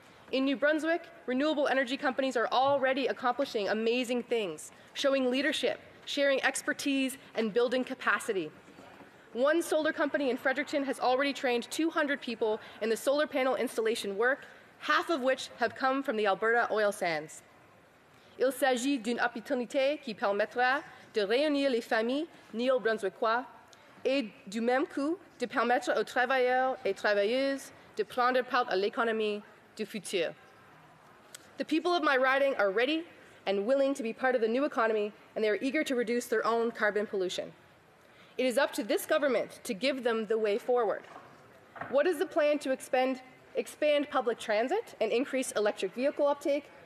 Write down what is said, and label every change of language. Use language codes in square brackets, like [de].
[en] In New Brunswick, renewable energy companies are already accomplishing amazing things, showing leadership, sharing expertise, and building capacity. One solar company in Fredericton has already trained 200 people in the solar panel installation work, half of which have come from the Alberta oil sands. [fr] Il s'agit d'une opportunité qui permettra de réunir les familles néo-brunswickois et du même coup de permettre aux travailleurs et travailleuses de prendre part à l'économie du futur. [en] The people of my riding are ready and willing to be part of the new economy, and they are eager to reduce their own carbon pollution. It is up to this government to give them the way forward. What is the plan to expand public transit and increase electric vehicle uptake?